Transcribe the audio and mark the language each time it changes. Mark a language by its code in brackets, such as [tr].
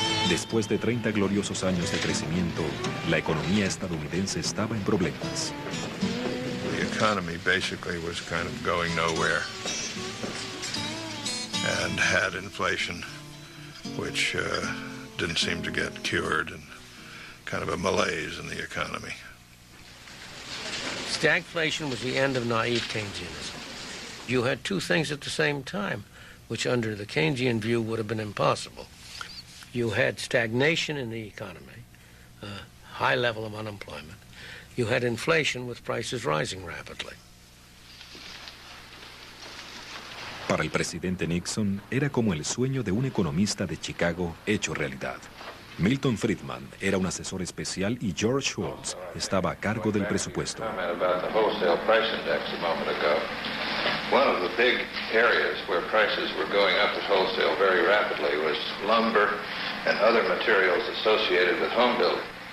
[es] Después de 30 gloriosos años de crecimiento, la economía estadounidense estaba en problemas. [en] The economy basically was kind of going nowhere and had inflation, which didn't seem to get cured, and kind of a malaise in the economy. Stagflation was the end of naive Keynesianism. You had two things at the same time, which under the Keynesian view would have been impossible. You had stagnation in the economy, a high level of unemployment. You had inflation with prices rising rapidly. [es] Para el presidente Nixon, era como el sueño de un economista de Chicago hecho realidad. Milton Friedman era un asesor especial y George Shultz estaba a cargo del presupuesto. [en] One of the big areas where prices were going up at wholesale very rapidly was lumber and other materials associated with home building.